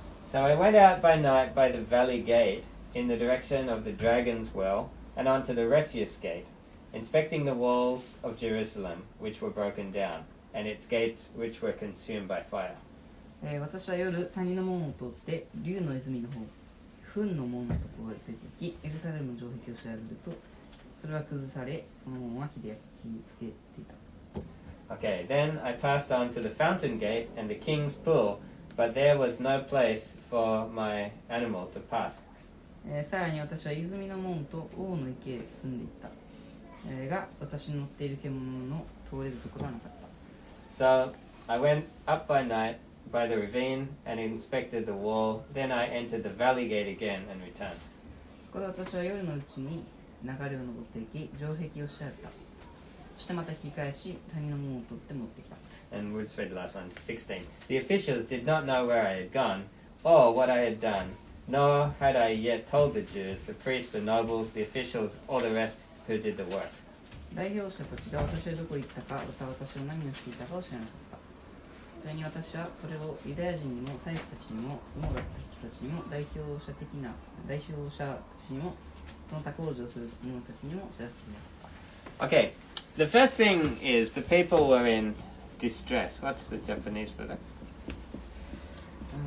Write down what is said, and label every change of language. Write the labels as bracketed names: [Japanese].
[English] So I went out by night by the valley gate in the direction of the dragon's well and onto the refuse gate, inspecting the walls of Jerusalem which were broken down and its gates which were consumed by fire. [Japanese] 私は夜、谷の門を通って、竜の泉の方、糞の門のところへ出て行き、エルサレムの城壁を調べると、それは崩され、その門は火で焼き付けていた。 [English] Okay, then I passed on to the fountain gate and the king's pool, but there was no place for my animal to pass. [Japanese] さらに私は泉の門と王の池へ進んでいった。が、私の乗っている獣の通れるところはなかった。 [English] So, I went up by night. By the ravine and inspected the wall, then I entered the valley gate again and returned. [Japanese] ここで私は夜のうちに流れを登っていき、城壁を調べた。そしてまた引き返し、谷の門を取って持ってきた。 [English] And we'll just read the last one, 16. The officials did not know where I had gone or what I had done, nor had I yet told the Jews, the priests, the nobles, the officials, or the rest who did the work. [Japanese] 代表者たちが私はどこ行ったか、また私は何をしていたかを知らなかった。それに私はそれをユダヤ人にも祭司たちにも王だった人たちにも代表者たちにもその他工事をする者たちにも知らせていた。 [English] Okay, the first thing is the people were in distress. What's the Japanese for that? What does it say?